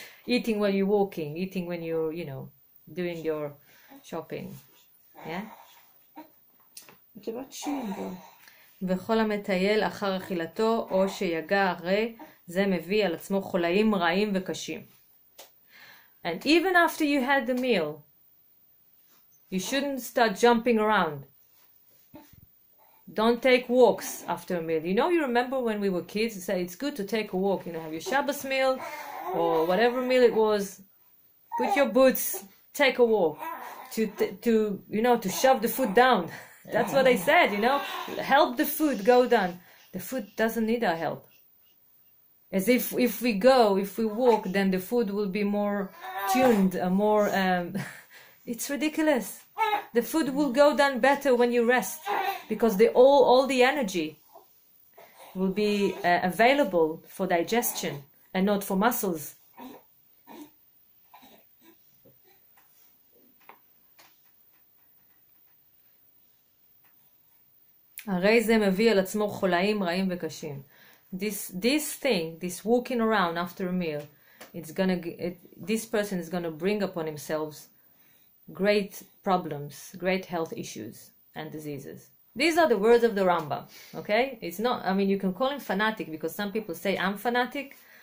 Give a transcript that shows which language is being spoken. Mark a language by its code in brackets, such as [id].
[en] Eating while you're walking, eating when you're, you know, doing your shopping. Yeah. It's about chewing, though. [he] וכל המטייל אחר אכילתו או שיגע הרי זה מביא על עצמו חוליים רעים וקשים. [en] And even after you had the meal, you shouldn't start jumping around. Don't take walks after a meal. You know, you remember when we were kids, you say it's good to take a walk. You know, have your Shabbos meal or whatever meal it was. Put your boots, take a walk. To shove the food down. That's what I said, you know. Help the food go down. The food doesn't need our help. As if we go, if we walk, then the food will be more tuned, more... it's ridiculous. The food will go down better when you rest, because all the energy will be available for digestion and not for muscles. [he] הרי זה מביא על עצמו חולאים רעים וקשים. [en] This thing, this walking around after a meal, this person is gonna bring upon himself great problems, great health issues and diseases. These are the words of the Rambam, okay? It's not, I mean, you can call him fanatic because some people say I'm fanatic.